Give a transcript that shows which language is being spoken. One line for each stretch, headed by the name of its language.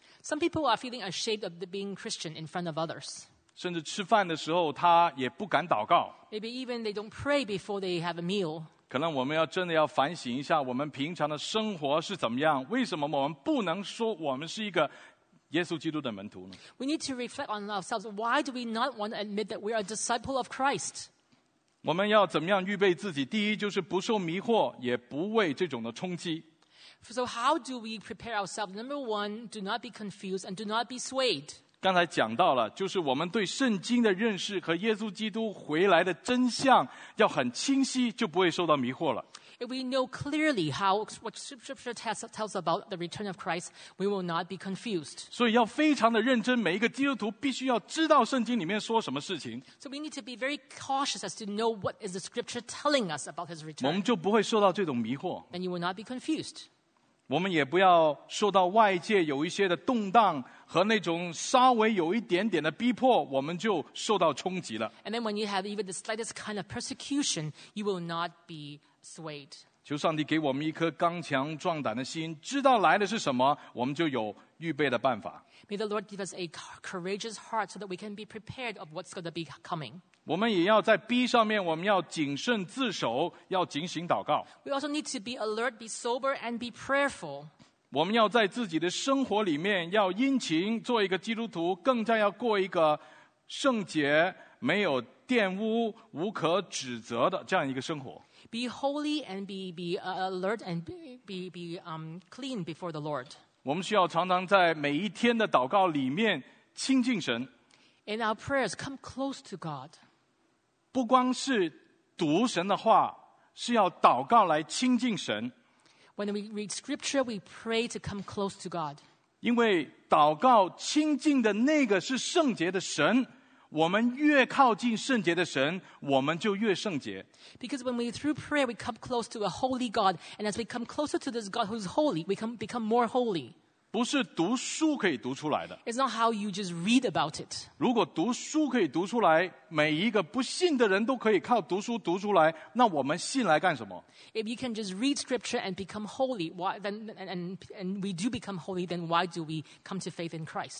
English: Some people are feeling ashamed of being Christian in front of others.
Chinese: 甚至吃饭的时候他也不敢祷告。
English: Maybe even they don't pray before they have a meal.
Chinese: 可能我们要真的要反省一下我们平常的生活是怎么样，为什么我们不能说我们是一个耶稣基督的门徒呢？
English: We need to reflect on ourselves. Why do we not want to admit that we are a disciple of Christ?
Chinese: 我们要怎么样预备自己？第一就是不受迷惑，也不为这种的冲击。
English: So how do we prepare ourselves? Number one, do not be confused and do not be swayed.
Chinese: 刚才讲到了，就是我们对圣经的认识和耶稣基督回来的真相要很清晰，就不会受到迷惑了。
English: If we know clearly how what Scripture tells about the return of Christ, we will not be confused.
Chinese: 所以要非常的认真，每一个基督徒必须要知道圣经里面说什么事情。
English: So we need to be very cautious as to know what is the Scripture telling us about His return.
Chinese: 我们就不会受到这种迷惑。
English: And you will not be confused.
Chinese: 我们也不要受到外界有一些的动荡和那种稍微有一点点的逼迫，我们就受到冲击了。
English: And then when you have even the slightest kind of persecution, you will not be swayed.
Chinese: 求上帝给我们一颗刚强壮胆的心，知道来的是什么，我们就有预备的办法。
English: May the Lord give us a courageous heart so that we can be prepared of what's going to be coming.
Chinese: 我们也要在逼上面，我们要谨慎自守，要警醒祷告。
English: We also need to be alert, be sober, and be prayerful.
Chinese: 我们要在自己的生活里面，要殷勤做一个基督徒，更加要过一个圣洁、没有玷污、无可指责的这样一个生活。
English: Be holy and be alert and be clean before the Lord.
Chinese: 我们需要常常在每一天的祷告里面亲近神。
English: In our prayers, come close to God.
Chinese: 不光是读神的话，是要祷告来亲近神。
English: When we read scripture, we pray to come close to God.
Chinese: 因为祷告亲近的那个是圣洁的神，我们越靠近圣洁的神，我们就越圣洁。
English: Because when we through prayer, we come close to a holy God, and as we come closer to this God who is holy, we can become more holy.
Chinese: 不是读书可以读出来的。
English: It's not how you just read about it.
Chinese: 如果读书可以读出来，每一个不信的人都可以靠读书读出来，那我们信来干什么？
English: If you can just read scripture and become holy, why, then, and we do become holy, then why do we come to faith in Christ?